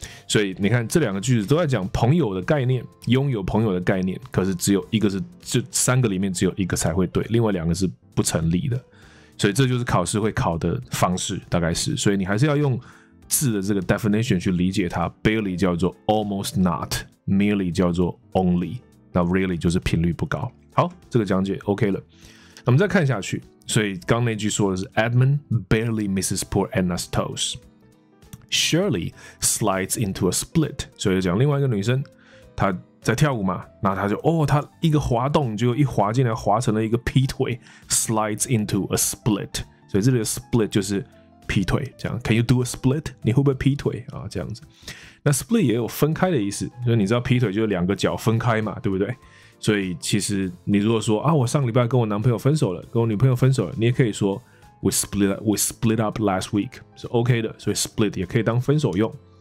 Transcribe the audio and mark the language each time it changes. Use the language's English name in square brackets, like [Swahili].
[Chinese] 所以你看，这两个句子都在讲朋友的概念，拥有朋友的概念，可是只有一个是，这三个里面只有一个才会对，另外两个是不成立的。所以这就是考试会考的方式，大概是。所以你还是要用字的这个 definition 去理解它 ，barely 叫做 almost not，merely 叫做 only， 那 really 就是频率不高。好，这个讲解 OK 了，我们再看下去。所以刚那句说的是 [English] Edmund barely misses poor Anna's toes. Shirley slides into a split. [Chinese] 所以就讲另外一个女生她在跳舞嘛，那她就哦，她一个滑动就一滑进来滑成了一个劈腿， [English] slides into a split. [Chinese] 所以这里的 split 就是劈腿，这样 [English] Can you do a split? [Chinese] 你会不会劈腿啊？这样子，那 split 也有分开的意思，所以你知道劈腿就是两个脚分开嘛，对不对？所以其实你如果说啊，我上礼拜跟我男朋友分手了，跟我女朋友分手了，你也可以说 [English] we split up last week [Chinese] 是 OK 的，所以 split 也可以当分手用。